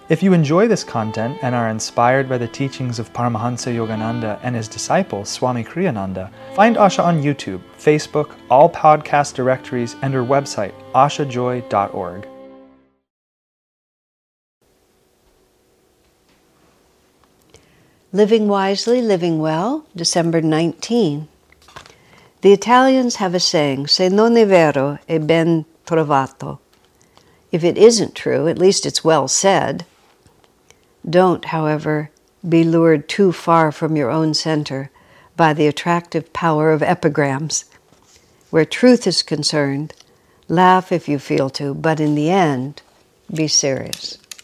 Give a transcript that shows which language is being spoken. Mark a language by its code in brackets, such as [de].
[en] If you enjoy this content and are inspired by the teachings of Paramahansa Yogananda and his disciple, Swami Kriyananda, find Asha on YouTube, Facebook, all podcast directories, and her website, ashajoy.org. Living Wisely, Living Well, December 19. The Italians have a saying, [it] se non è vero, è ben trovato. [en] If it isn't true, at least it's well said. Don't, however, be lured too far from your own center by the attractive power of epigrams. Where truth is concerned, laugh if you feel to, but in the end, be serious.